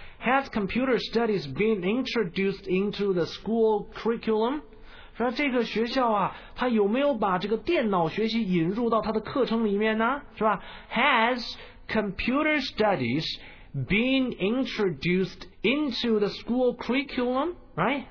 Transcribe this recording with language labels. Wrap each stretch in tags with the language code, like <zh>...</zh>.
<en>Has computer studies been introduced into the school curriculum？</en> <zh>说这个学校啊，它有没有把这个电脑学习引入到它的课程里面呢？是吧</zh> <en>？Has computer studies been introduced into the school curriculum, right?</en>